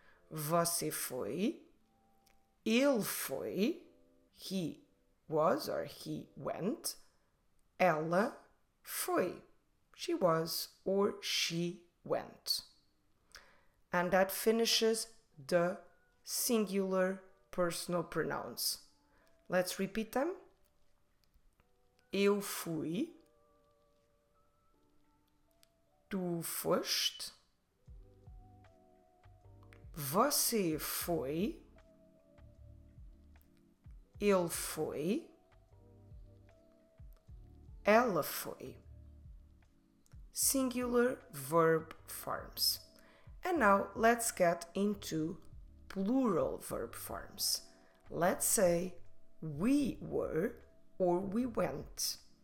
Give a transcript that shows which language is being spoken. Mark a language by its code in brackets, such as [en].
[pt] Você foi, ele foi, [en] he was or he went, [pt] ela foi, [en] she was or she went. And that finishes the singular personal pronouns. Let's repeat them. [pt] Eu fui, tu foste, você foi, ele foi, ela foi. [en] Singular verb forms. And now let's get into plural verb forms. Let's say we were or we went.